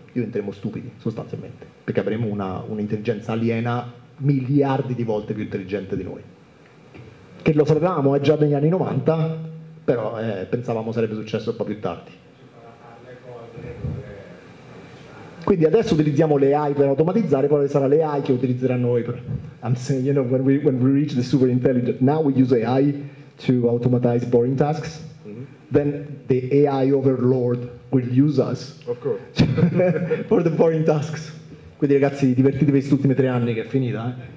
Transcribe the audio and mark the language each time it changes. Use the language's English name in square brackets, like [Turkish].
[Italian] Diventeremo stupidi, sostanzialmente, perché avremo un'intelligenza aliena miliardi di volte più intelligente di noi. Che lo sapevamo, è già negli anni 90, però pensavamo sarebbe successo un po' più tardi. Quindi adesso utilizziamo le AI per automatizzare, poi sarà le AI che utilizzeranno noi. [English] I'm saying, you know, when we reach the super intelligent, now we use AI to automatize boring tasks, then the AI overlord will use us. Of course. For the boring tasks. [Italian] Quindi ragazzi, divertitevi questi ultimi 3 anni che è finita.